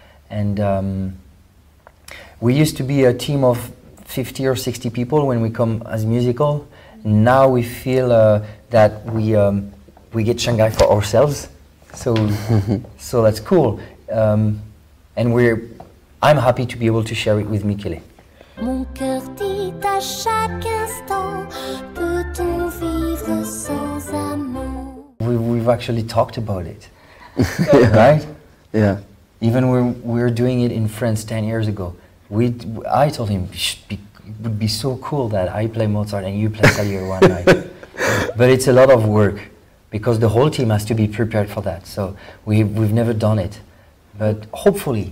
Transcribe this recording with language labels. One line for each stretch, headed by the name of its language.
English: And we used to be a team of 50 or 60 people when we come as musical. Now we feel that we get Shanghai for ourselves. So that's cool. And I'm happy to be able to share it with Mikele.
French: Mon cœur dit à chaque instant, peut-on vivre sans amour?
English: We've actually talked about it. Right? Yeah. Even when we were doing it in France 10 years ago, I told him it would be so cool that I play Mozart and you play Salieri one night. But it's a lot of work, because the whole team has to be prepared for that. So we've never done it. But hopefully,